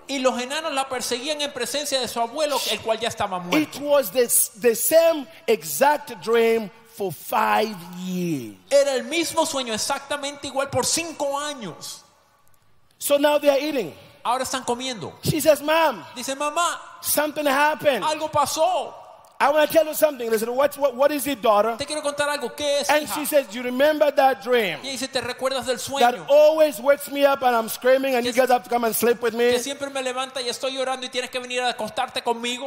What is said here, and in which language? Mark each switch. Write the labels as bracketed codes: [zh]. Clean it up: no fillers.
[es] Y los enanos la perseguían en presencia de su abuelo, el cual ya estaba muerto. [en] It was the same exact dream for 5 years. [es] Era el mismo sueño exactamente igual por 5 años. [en] So now they are eating. [es] Ahora están comiendo. [en] She says, "Mom." [es] Dice, "Mamá." [en] Something happened. [es] Algo pasó. [en] I want to tell you something. Listen, what is it, daughter? [es] Te quiero contar algo. ¿Qué es, [en] and [es] hija? [en] She says, you remember that dream? [es] Y dice, ¿te recuerdas del sueño? [en] That always wakes me up and I'm screaming and you guys have to come and sleep with me. [es] Que siempre me levanta y estoy llorando y tienes que venir a acostarte conmigo.